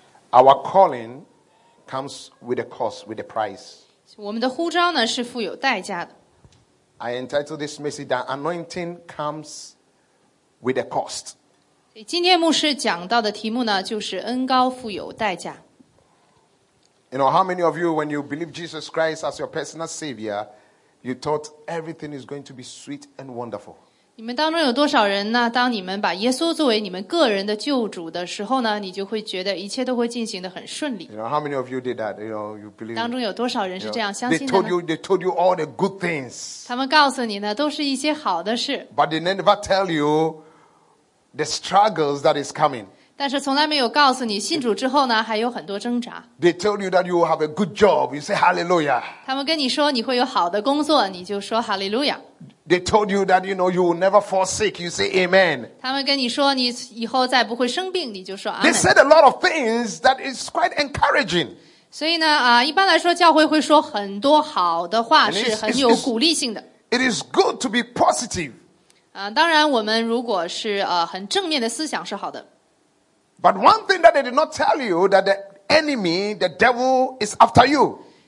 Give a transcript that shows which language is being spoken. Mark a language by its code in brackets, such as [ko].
[en] Our calling comes with a cost, with a price. [zh] 我们的呼召呢是富有代价的。 [en] I entitled this message that anointing comes with a cost. [zh] 今天牧师讲到的题目呢，就是恩膏富有代价。 [en] You know, how many of you, when you believe Jesus Christ as your personal Savior, you thought everything is going to be sweet and wonderful? [zh] 你们当中有多少人呢？当你们把耶稣作为你们个人的救主的时候呢，你就会觉得一切都会进行得很顺利。 [en] You know, how many of you did that? You know, you believe. [zh] 当中有多少人是这样相信的呢？ [en] They told you all the good things. [zh] 他们告诉你呢，都是一些好的事。 [en] But they never tell you the struggles that is coming. [zh] 但是从来没有告诉你，信主之后呢，还有很多挣扎。 [en] They told you that you will have a good job. You say hallelujah. [zh] 他们跟你说你会有好的工作，你就说hallelujah。 [en] They told you that, you know, you will never fall sick. You say amen. [zh] 他们跟你说你以后再不会生病，你就说amen。 [en] They said a lot of things that is quite encouraging. [zh] 所以呢，一般来说教会会说很多好的话，是很有鼓励性的。 [en] It is good to be positive. [zh] 当然我们如果是很正面的思想是好的。 [en] But one thing that they did not tell you, that the enemy, the devil, is after you.